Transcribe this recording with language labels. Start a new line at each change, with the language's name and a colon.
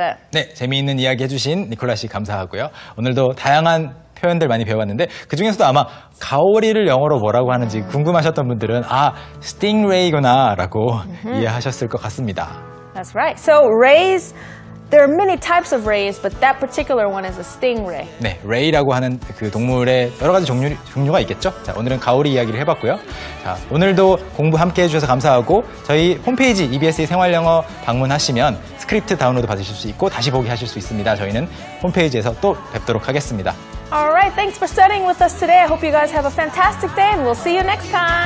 Korean: 네, 재미있는 이야기 해주신 니콜라 씨 감사하고요. 오늘도 다양한 표현들 많이 배워봤는데 그 중에서도 아마 가오리를 영어로 뭐라고 하는지 궁금하셨던 분들은 아, 스팅레이구나라고 이해하셨을 것 같습니다.
English: That's right. So rays, there are many types of rays, but that particular one is a stingray.
Korean: 네, 레이라고 하는 그 동물의 여러 가지 종류가 있겠죠. 자, 오늘은 가오리 이야기를 해봤고요. 자, 오늘도 공부 함께 해주셔서 감사하고 저희 홈페이지 EBSe 생활영어 방문하시면 스크립트 다운로드 받으실 수 있고 다시 보기 하실 수 있습니다. 저희는 홈페이지에서 또 뵙도록 하겠습니다.
English: Alright, thanks for studying with us today. I hope you guys have a fantastic day and we'll see you next time.